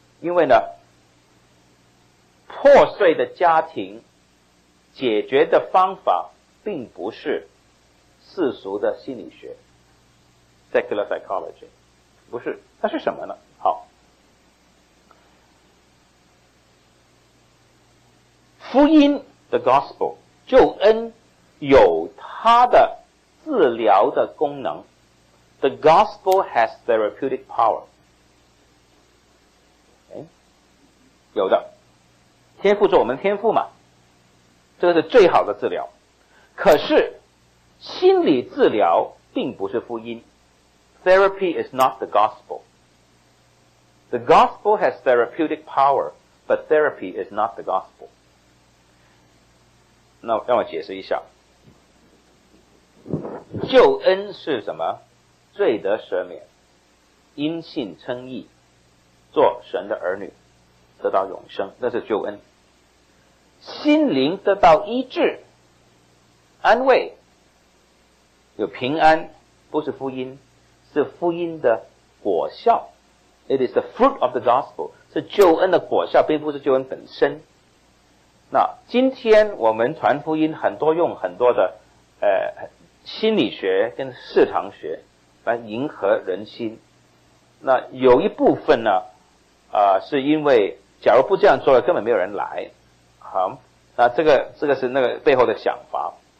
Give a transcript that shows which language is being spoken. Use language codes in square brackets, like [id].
[zh] 因为呢，破碎的家庭解决的方法并不是世俗的心理学 [en] secular psychology， [zh] 不是，那是什么呢？福音 the gospel 救恩有它的治疗的功能， [en] the gospel has therapeutic power、okay? [zh] 有的，天父做我们天父嘛，这个是最好的治疗。可是心理治疗并不是福音， [en] therapy is not the gospel， the gospel has therapeutic power but therapy is not the gospel。 [zh] 那让我解释一下，救恩是什么？罪得赦免，因信称义，做神的儿女，得到永生，那是救恩。心灵得到医治、安慰，有平安，不是福音，是福音的果效。 [en] It is the fruit of the gospel， [zh] 是救恩的果效，并不是救恩本身。那今天我们传福音很多用很多的心理学跟市场学来迎合人心，那有一部分呢是因为假如不这样做了根本没有人来，好、嗯、那这个是那个背后的想法。